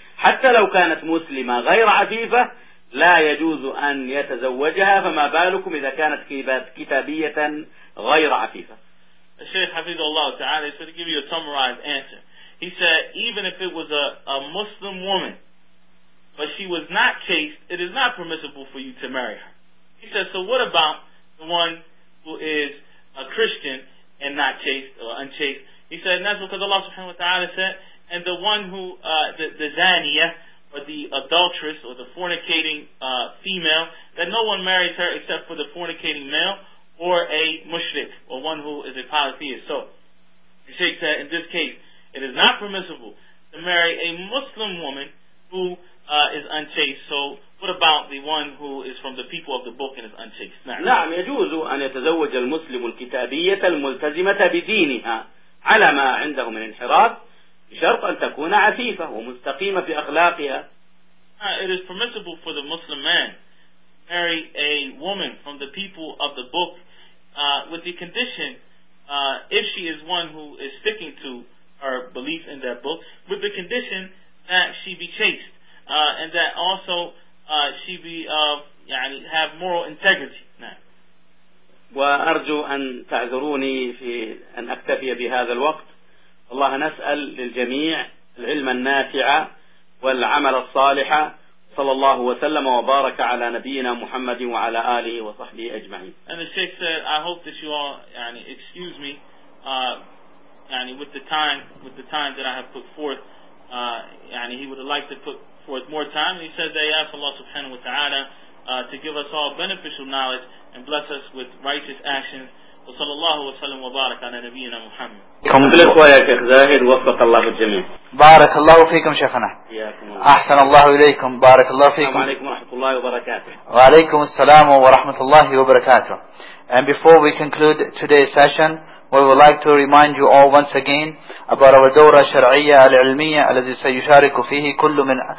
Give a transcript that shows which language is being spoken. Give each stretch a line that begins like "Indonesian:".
Arabic: حتى لو كانت مسلمة غير عفيفة لا يجوز أن يتزوجها, فما بالكم إذا كانت كتابية غير عفيفة. الشيخ حفظه الله تعالى,
English: he said, to give you a summarized answer, he said, even if it was a Muslim woman but she was not chaste, it is not permissible for you to marry her. He says, so what about the one who is a Christian and not chaste or unchaste? He said, and that's because Allah subhanahu wa ta'ala said, and the one who, the zaniya, or the adulteress, or the fornicating female, that no one marries her except for the fornicating male, or a mushrik, or one who is a polytheist. So, the Shaykh said, in this case, it is not permissible to marry a Muslim woman who is unchaste. So, what about the one who is from the people of the book and is unchaste?
Arabic: نعم يجوز أن يتزوج المسلم الكتابية الملتزمة بدينها على ما عنده من انحراف بشرط أن تكون عفيفة ومستقيمة في أخلاقها.
English: It is permissible for the Muslim man to marry a woman from the people of the book with the condition, if she is one who is sticking to her belief in that book, with the condition that she be chaste. And that also she be يعني have moral integrity.
Arabic: وأرجو أن تعذروني في أن أكتفي بهذا الوقت. الله نسأل للجميع العلم النافع والعمل الصالح صلى الله وسلم وبارك على نبينا محمد وعلى آله وصحبه أجمعين.
English: And the Sheikh said, I hope that you all, يعني, excuse me, يعني, with the time that I have put forth, يعني, he would have liked to put forth more time. And he said that he asked Allah subhanahu wa ta'ala to give us all beneficial knowledge and bless us with righteous actions.
Arabic: وصلى الله وسلم وبارك على نبينا محمد. كملك ويا شيخ زاهد وفق الله الجميع. بارك الله فيكم شيخنا. حياكم الله. احسن الله اليكم، بارك الله فيكم. وعليكم ورحمه الله وبركاته. وعليكم السلام ورحمه الله وبركاته.
English: And before we conclude today's session, we would like to remind you all once again about our
Arabic: دورة شرعية العلمية الذي سيشارك فيه كل من